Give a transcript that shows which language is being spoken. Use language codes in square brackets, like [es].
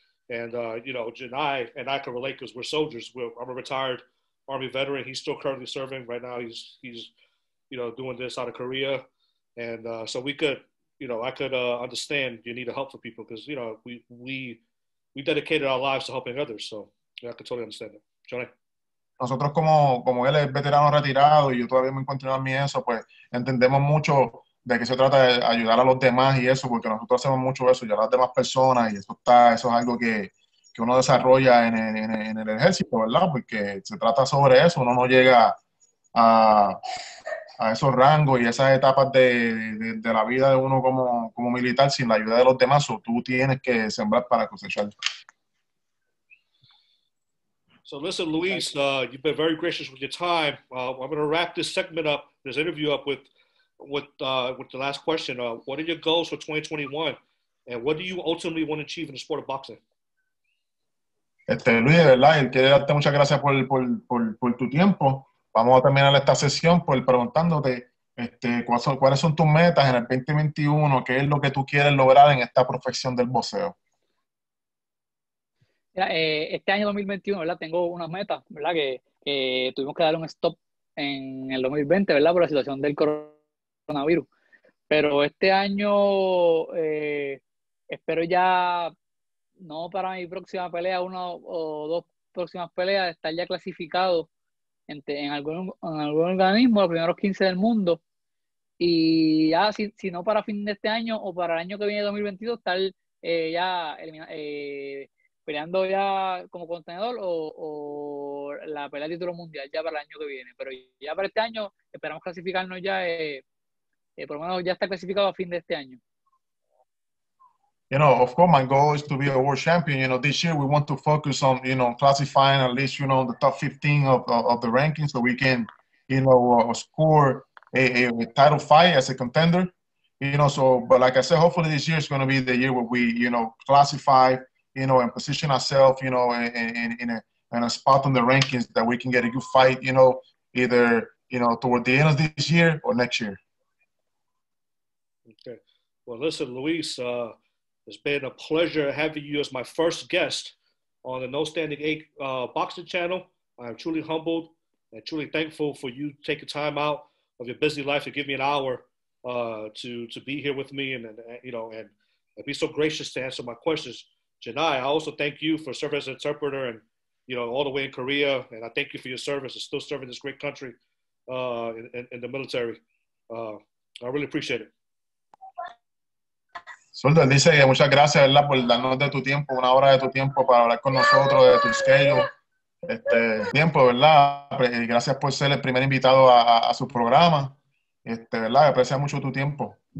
[en] And, you know, Janai and I can relate because we're soldiers. I'm a retired Army veteran. He's still currently serving. Right now he's you know, doing this out of Korea. And so we could, you know, I could understand your need to help for people because, you know, we dedicated our lives to helping others. So yeah, I could totally understand that. Janai. [es] Nosotros como él es veterano retirado y yo todavía me encuentro en mí eso, pues entendemos mucho de qué se trata de ayudar a los demás y eso, porque nosotros hacemos mucho eso, ya las demás personas, y eso es algo que uno desarrolla en el ejército, ¿verdad? Porque se trata sobre eso, uno no llega a esos rangos y esas etapas de la vida de uno como militar sin la ayuda de los demás, o tú tienes que sembrar para cosechar. [en] So listen, Luis, you've been very gracious with your time. I'm going to wrap this segment up, this interview up with the last question. What are your goals for 2021? And what do you ultimately want to achieve in the sport of boxing? [es] Luis, de verdad, quiero darte muchas gracias por tu tiempo. Vamos a terminar esta sesión por preguntándote cuáles son tus metas en el 2021, qué es lo que tú quieres lograr en esta profesión del boxeo. Mira, este año 2021, ¿verdad? Tengo unas metas, ¿verdad? Que tuvimos que dar un stop en el 2020, ¿verdad? Por la situación del coronavirus. Pero este año espero ya, no para mi próxima pelea, una o dos próximas peleas, estar ya clasificado en algún organismo, los primeros 15 del mundo. y ya si no para fin de este año o para el año que viene 2022 estar ya peleando ya como contendor o la pelea de título mundial ya para el año que viene, pero ya para este año esperamos clasificarnos ya por lo menos ya está clasificado a fin de este año. [en] You know, of course, my goal is to be a world champion. You know, this year we want to focus on, you know, classifying at least, you know, the top 15 of the rankings so we can, you know, score a title fight as a contender. You know, so, but like I said, hopefully this year is going to be the year where we, you know, classify, you know, and position ourselves, you know, in a spot on the rankings that we can get a good fight, you know, either, you know, toward the end of this year or next year. Okay. Well, listen, Luis, it's been a pleasure having you as my first guest on the No Standing Eight Boxing Channel. I am truly humbled and truly thankful for you taking time out of your busy life to give me an hour to be here with me and be so gracious to answer my questions. Janai, I also thank you for serving as an interpreter and, you know, all the way in Korea. And I thank you for your service and still serving this great country in the military. I really appreciate it. [es] Zurdo, dice que muchas gracias, ¿verdad?, por darnos de tu tiempo, una hora de tu tiempo para hablar con nosotros, de tu schedule, tiempo, ¿verdad? Gracias por ser el primer invitado a su programa, ¿verdad? Aprecia mucho tu tiempo.